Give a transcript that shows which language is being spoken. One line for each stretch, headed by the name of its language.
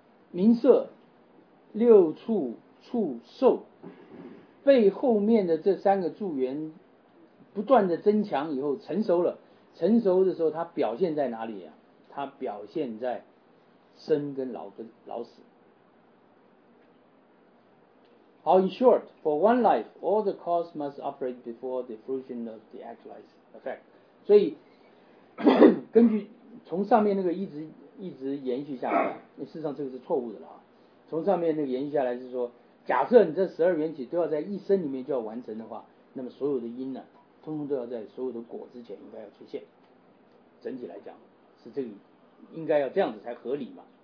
Chinese: 名色六处处受被后面的这三个助缘不断的增强以后成熟了，成熟的时候它表现在哪里啊？它表现在生跟老跟老死。
English: 好 ，in short, for one life, all the cause must operate before the fruition of the actualized effect.
Chinese: 所以根据从上面那个一直延续下来，事实上这个是错误的了啊。从上面那个延续下来是说，假设你这十二缘起都要在一生里面就要完成的话，那么所有的因呢、啊？通通都要在所有的果之前应该要出现，整体来讲是这个应该要这样子才合理嘛。